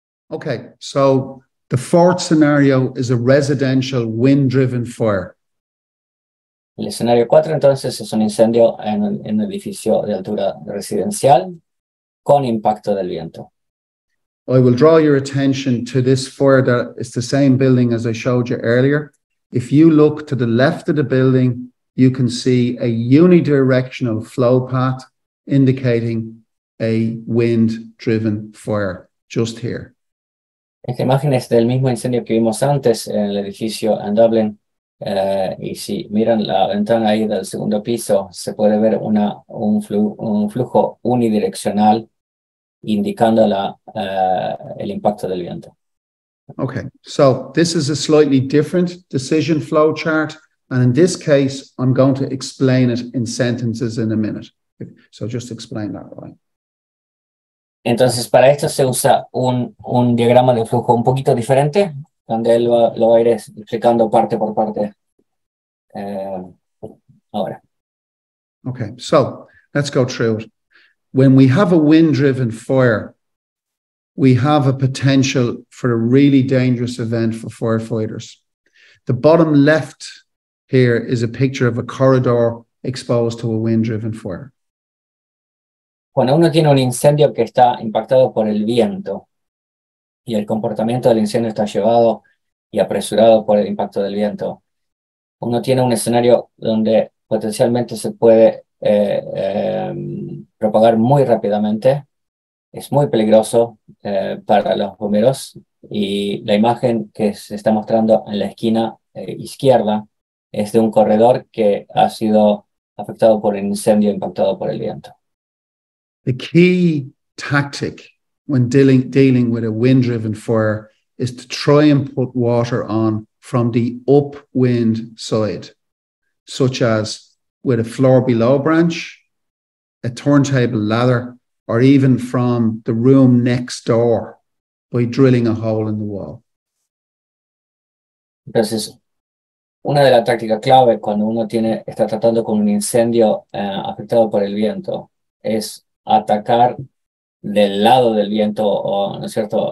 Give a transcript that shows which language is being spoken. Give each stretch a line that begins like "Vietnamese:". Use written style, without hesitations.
English: Okay, so the fourth scenario is a residential wind-driven fire.
Spanish: El escenario 4, entonces, es un incendio en un edificio de altura residencial con impacto del viento.
English: I will draw your attention to this fire that is the same building as I showed you earlier. If you look to the left of the building, you can see a unidirectional flow path indicating a wind-driven fire just here.
Spanish: Esta imagen es del mismo incendio que vimos antes en el edificio en Dublín. Y si miran la ventana ahí del segundo piso, se puede ver un flujo unidireccional indicando el impacto del viento.
English: Okay, so this is a slightly different decision flow chart, and in this case, I'm going to explain it in sentences in a minute. So just explain that, right?
Spanish: Entonces, para esto se usa un diagrama de flujo un poquito diferente, donde él lo va a ir explicando parte por parte ahora.
English: Okay, so let's go through it. When we have a wind-driven fire, we have a potential for a really dangerous event for firefighters. The bottom left here is a picture of a corridor exposed to a wind-driven fire.
Spanish: Cuando uno tiene un incendio que está impactado por el viento y el comportamiento del incendio está llevado y apresurado por el impacto del viento, uno tiene un escenario donde potencialmente se puede propagar muy rápidamente. Es muy peligroso para los bomberos y la imagen que se está mostrando en la esquina izquierda es de un corredor que ha sido afectado por el incendio impactado por el viento.
English: The key tactic when dealing with a wind-driven fire is to try and put water on from the upwind side, such as with a floor below branch, a turntable ladder, or even from the room next door by drilling a hole in the wall.
Spanish: Entonces, una de las tácticas clave cuando uno está tratando con un incendio afectado por el viento es atacar del lado del viento, ¿no es cierto?